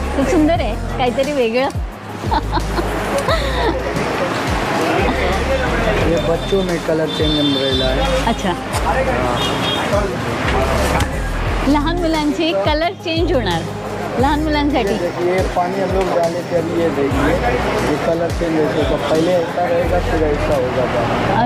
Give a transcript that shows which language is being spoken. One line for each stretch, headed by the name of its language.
Marathi: खूप सुंदर आहे, काहीतरी वेगळं.
Hindi: ये बच्चों में कलर चेंज अम्ब्रेला है।
Marathi: अच्छा, लहान मुलांचे कलर चेंज होणार लहान मुलांसाठी।
Hindi: ये पाणी हम लोग डाले थे अभी, ये देखिए ये कलर चेंज होते तो पहले ऐसा रहेगा फिर ऐसा हो जाता।